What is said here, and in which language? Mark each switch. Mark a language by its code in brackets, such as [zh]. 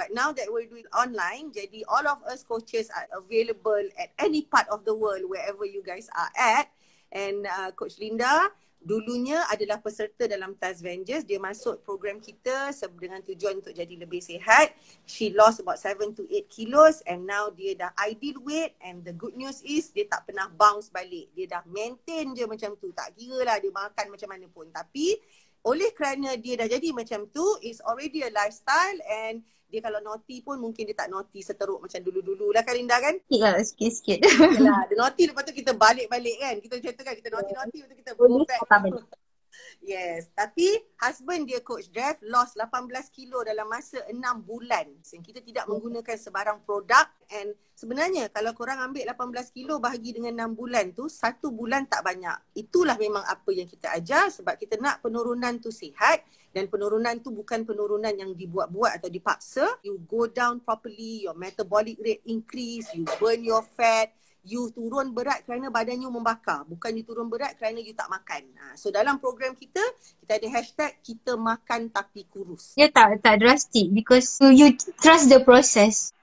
[en] But now that we're doing online, jadi all of us coaches are available at any part of the world, wherever you guys are at. [ms] And Coach Linda dulunya adalah peserta dalam Tasvengers. Dia masuk program kita dengan tujuan untuk jadi lebih sihat. [en] She lost about 7 to 8 kilos and now [ms] dia dah [en] ideal weight. And the good news is [ms] dia tak pernah bounce balik. Dia dah maintain je macam tu. Tak kira lah dia makan macam mana pun. Tapi oleh kerana dia dah jadi macam tu, [en] it's already a lifestyle. [ms] And dia kalau naughty pun mungkin dia tak naughty seteruk macam dulu-dulu lah kan Linda kan? Ya, sikit-sikit. Yalah, dia naughty lepas tu kita balik-balik kan? Kita macam tu kan, kita naughty-naughty lepas tu kita go back. Yes, tapi husband dia Coach Jeff lost 18 kilo dalam masa 6 bulan. So, kita tidak menggunakan sebarang produk. And sebenarnya kalau korang ambil 18 kilo bahagi dengan 6 bulan tu, 1 bulan tak banyak. Itulah memang apa yang kita ajar sebab kita nak penurunan tu sihat. Dan penurunan tu bukan penurunan yang dibuat-buat atau dipaksa. [en] You go down properly, your metabolic rate increase, you burn your fat. [ms] You turun berat kerana badan you membakar. Bukan you turun berat kerana you tak makan. So dalam program kita, kita ada hashtag kita makan tapi kurus. Ya, tak [en] drastic because you trust the process.